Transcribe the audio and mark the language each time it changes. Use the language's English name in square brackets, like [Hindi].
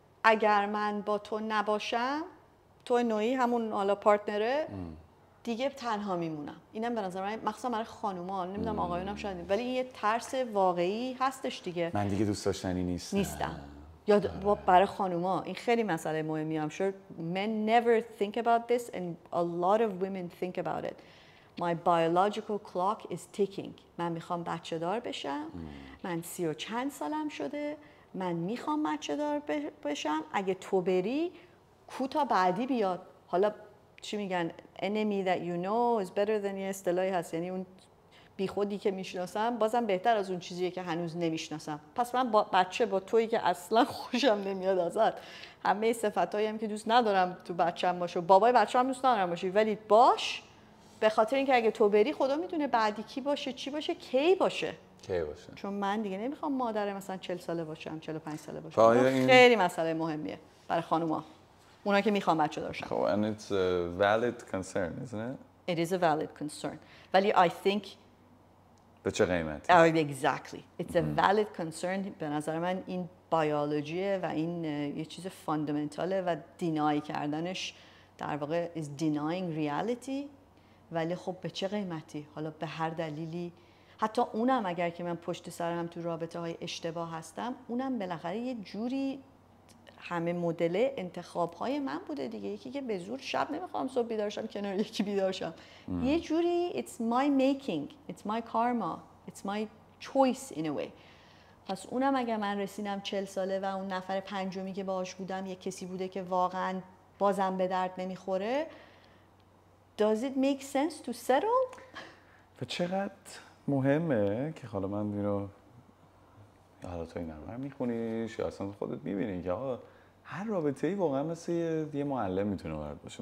[Persian] اگر من با تو نباشم، تو نوعی همون حالا پارتنره دیگه تنها میمونم. اینم به نظر من مخصوصا برای خانوما، نمیدونم آقایون هم شاید، ولی این یه ترس واقعی هستش دیگه. من دیگه دوست داشتنی نیستم. یا برای خانوما این خیلی مسئله مهمی هم شد. [English] Men never think about this and a lot of women think about it. My biological clock is ticking. [Persian] من میخوام بچه دار بشم. من 30 و چند سالم شده. من میخوام بچه دار بشم. اگه تو بری کوتا بعدی بیاد. حالا چی میگن؟ [English] enemy that you know is better than [Persian] یه اصطلاحی هست. یعنی اون بی خودی که میشناسم بازم بهتر از اون چیزیه که هنوز نمیشناسم. پس من با بچه با تویی که اصلا خوشم نمیاد ازت، همه صفتایی هم که دوست ندارم تو بچه‌م باشه، بابای بچه‌م دوست ندارم باشه، ولی باش، به خاطر اینکه اگه تو بری خدا میدونه بعدی کی باشه، چی باشه، کی باشه. کی باشه؟ چون من دیگه نمیخوام مادر مثلا 40 ساله باشم، 45 ساله باشم. خیلی مسئله مهمیه برای خانوما، اونا که میخوان بچه دارشن. خب [English] and it's a valid concern, isn't it? It is a valid concern. ولی I think [Persian] به چه قیمتی؟ [English] Oh, exactly. It's a valid concern. [Persian] به نظر من این بیولوژیه و این یه چیز فاندامنتاله و دینای کردنش در واقع [English] is denying reality. [Persian] ولی خب به چه قیمتی؟ حالا به هر دلیلی، حتی اونم اگر که من پشت سرم تو رابطه های اشتباه هستم، اونم بالاخره یه جوری همه مدله انتخاب های من بوده دیگه. یکی که به زور شب نمیخوام صبح بیدارشم کنار یکی بیدارشم. یه جوری [English] it's my making, it's my karma, it's my choice in a way. [Persian] پس اونم اگر من رسیدم 40 ساله و اون نفر پنجمی که باهاش بودم یه کسی بوده که واقعا بازم به درد نمیخوره، [English] does it make sense to settle? [Persian] و چقدر مهمه که حالا من اینو حالا تو این نمره میخونیش یا اصلا خودت میبینی که آقا هر رابطه ای واقعا مثل یه معلم میتونه برات باشه.